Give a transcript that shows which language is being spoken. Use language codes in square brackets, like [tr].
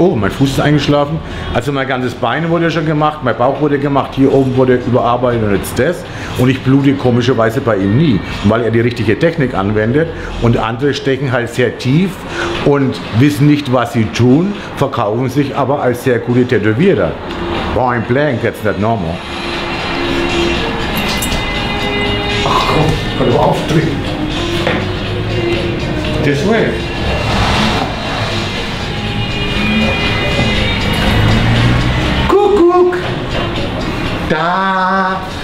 [de] Oh, mein Fuß ist eingeschlafen. Also mein ganzes Bein wurde schon gemacht, mein Bauch wurde gemacht, hier oben wurde überarbeitet und jetzt das. Und ich blute komischerweise bei ihm nie, weil er die richtige Technik anwendet. Und andere stechen halt sehr tief und wissen nicht, was sie tun, verkaufen sich aber als sehr gute Tätowierer. [en] Point blank, that's not normal. [de] Ach komm, ich kann aber auftreten. [en] This way. [de] Kuckuck! Da!